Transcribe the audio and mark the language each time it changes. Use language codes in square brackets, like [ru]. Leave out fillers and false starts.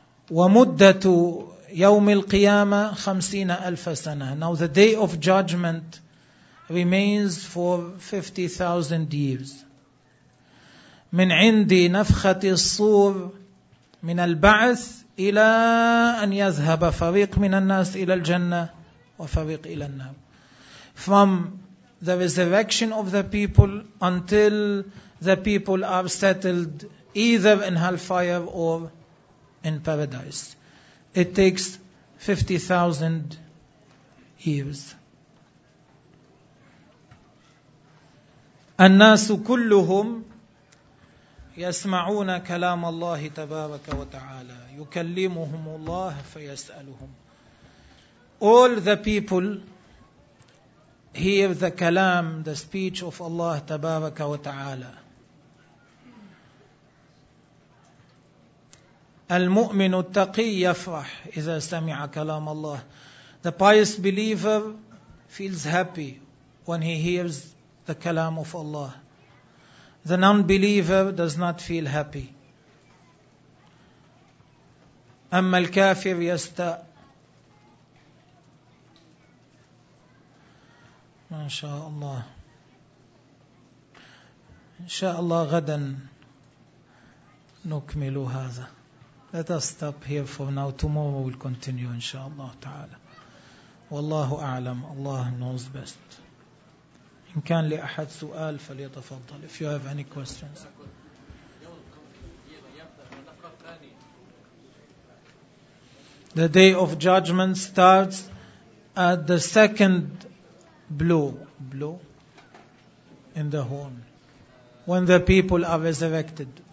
[ar] ومدة يوم القيامة 50,000 سنة. [en] Now the day of judgment remains for 50,000 years. [ar] من عندي نفخة الصور من البعث إلى أن يذهب فريق من الناس إلى الجنة وفريق إلى النار. [en] From the resurrection of the people until the people are settled either in hellfire or in paradise, it takes 50,000 years. [ar] الناس كلهم يسمعون كلام الله تبارك وتعالى يكلمهم الله فيسألهم. [en] All the people hear the kalam, the speech of Allah [ar] تبارك وتعالى. المؤمن التقي يفرح إذا سمع كلام الله. [en] The pious believer feels happy when he hears the kalam of Allah. The non-believer does not feel happy. [ar] أما الكافر يستاء. ما شاء الله. إن شاء الله غدا نكمل هذا. [en] Let us stop here for now. Tomorrow we'll continue, [ar] إن شاء الله تعالى. والله أعلم. [en] Allah knows best. [ar] إن كان لأحد سؤال فليتفضل. [en] If you have any questions. The day of judgment starts at the second blow in the horn when the people are resurrected.